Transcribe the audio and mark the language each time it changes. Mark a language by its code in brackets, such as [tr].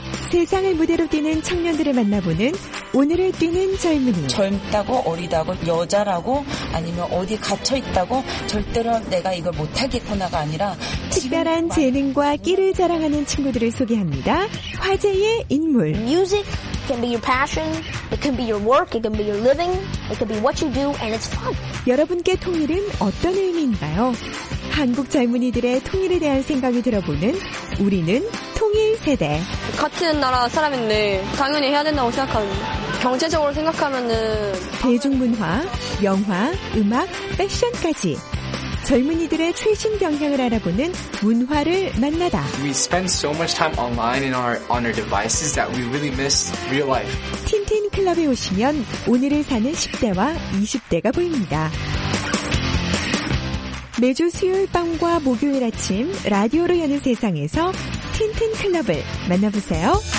[ko] 세상을 무대로 뛰는 청년들을 만나보는 오늘을 뛰는 젊은이. 젊다고 어리다고 여자라고 아니면 어디 갇혀있다고 절대로 내가 이걸 못하겠구나가 아니라 특별한 재능과 끼를 자랑하는 친구들을 소개합니다. 화제의 인물. [en] Music can be your passion, it can be your work, it can be your living, it can be what you do and it's fun. [ko] 여러분께 통일은 어떤 의미인가요? 한국 젊은이들의 통일에 대한 생각이 들어보는 우리는 통일 세대. 같은 나라 사람인데 당연히 해야 된다고 생각합니다. 경제적으로 생각하면은 대중문화, 영화, 음악, 패션까지 젊은이들의 최신 경향을 알아보는 문화를 만나다. [en] We spend so much time online in our devices that we really miss real life. [ko] 틴틴 클럽에 오시면 오늘을 사는 10대와 20대가 보입니다. 매주 수요일 밤과 목요일 아침 라디오로 여는 세상에서 틴틴 클럽을 만나보세요.